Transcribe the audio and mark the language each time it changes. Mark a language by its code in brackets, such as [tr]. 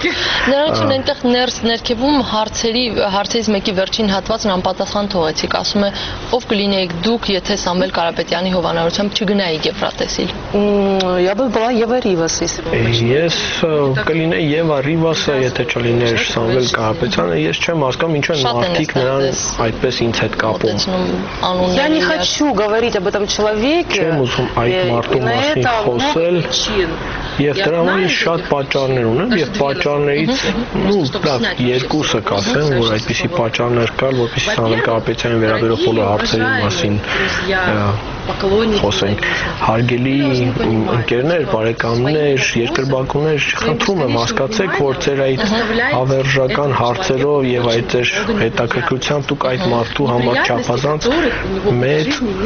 [hy] Նրանք ունեն այնտեղ ներս ներքևում հարցերից մեկի վերջին հատվածն անպատասխան թողեցիք, ասում է, ով կլինեիք դուք, եթե Սամվել Կարապետյանի հովանավորությամբ չգնայիք Եվրատեսիլ։ Ես կլինեի Եվա Ռիվասը, եթե չլիներ Սամվել Կարապետյանը։ Ես չեմ հասկանում, ինչու են մարդիկ նրան այդպես ինձ հետ կապում։ [ru] Я не хочу говорить об этом человеке. [hy] Չեմ ուզում այդ մարդու մասին խոսել։ Եվ դրա համար շատ պատճառներ ունեմ, և պատճառներից, երկուսը կասեմ, որ այդպիսի պատճառներ կա, որպեսզի Սամվել Կարապետյանին վերաբերող բոլոր հարցերի մասին խոսենք։ Հարգելի ընկերներ, բարեկամներ, երկրպագուներ, խնդրում եմ, հասկացեք, որ ձեր այդ ավերժական հարցերով և այդ ձեր հետաքրքրությամբ դուք այդ մարդու համար չափազանց մեծ